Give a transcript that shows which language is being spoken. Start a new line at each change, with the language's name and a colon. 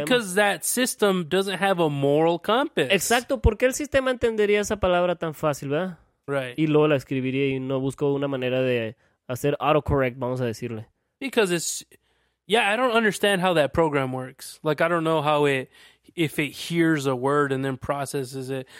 English: It's because that system doesn't have a moral compass.
Spanish: Exacto, porque el sistema entendería esa palabra tan fácil, ¿verdad?
English: Right.
Spanish: Y luego la escribiría y no buscó una manera de hacer autocorrect, vamos a decirle.
English: Because it's... Yeah, I don't understand how that program works. Like, I don't know how it... If it hears a word and then processes it.